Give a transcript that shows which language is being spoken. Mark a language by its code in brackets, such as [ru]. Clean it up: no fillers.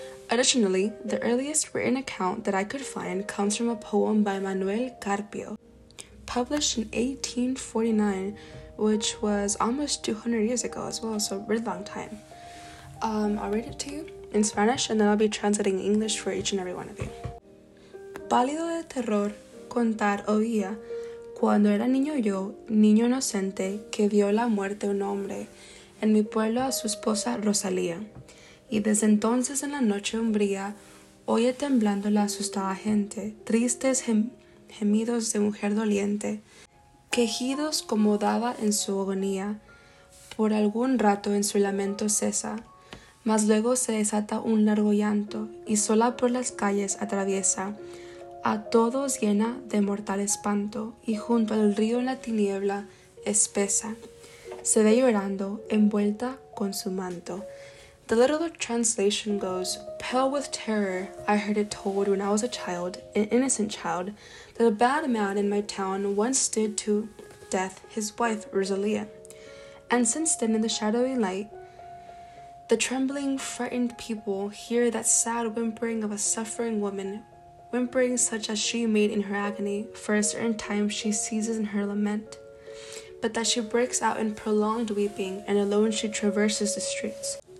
[en] Additionally, the earliest written account that I could find comes from a poem by Manuel Carpio, published in 1849, which was almost 200 years ago as well, so a really long time. I'll read it to you in Spanish, and then I'll be translating English for each and every one of you. [es] Pálido de terror, contar oía. Cuando era niño yo, niño inocente, que vio la muerte un hombre en mi pueblo a su esposa Rosalía. Y desde entonces en la noche umbría, oye temblando la asustada gente, tristes gemidos de mujer doliente, quejidos como dada en su agonía, por algún rato en su lamento cesa, mas luego se desata un largo llanto y sola por las calles atraviesa, a todos llena de mortal espanto, y junto al río en la tiniebla espesa, se ve llorando, envuelta con su manto. [en] The literal translation goes, pale with terror, I heard it told when I was a child, an innocent child, that a bad man in my town once did to death his wife, Rosalia. And since then, in the shadowy light, the trembling, frightened people hear that sad whimpering of a suffering woman, whimpering such as she made in her agony, for a certain time she ceases in her lament, but that she breaks out in prolonged weeping, and alone she traverses the streets.